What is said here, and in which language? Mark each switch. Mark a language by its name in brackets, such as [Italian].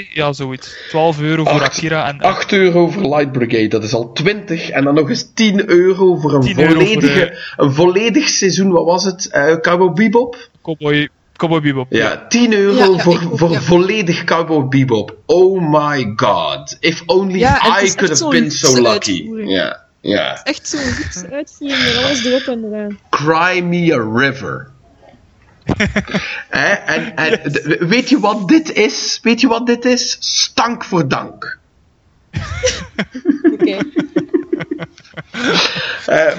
[Dutch] Zoiets. 12 euro voor Akira en 8 euro voor Light Brigade, dat is al 20. En dan nog eens 10 euro voor een volledige, voor, een volledig seizoen. Wat was het? Cowboy Bebop? Cowboy Bebop. Ja, 10 euro voor volledig Cowboy Bebop. [English] Oh my god. If only I could have been so lucky. [Dutch] Ja. Ja. Echt zo goed uitzien met alles erop en eraan. [English] Cry me a river. Hè? [Dutch] En yes. Weet je wat dit is? Weet je wat dit is? Stank voor dank. Oké.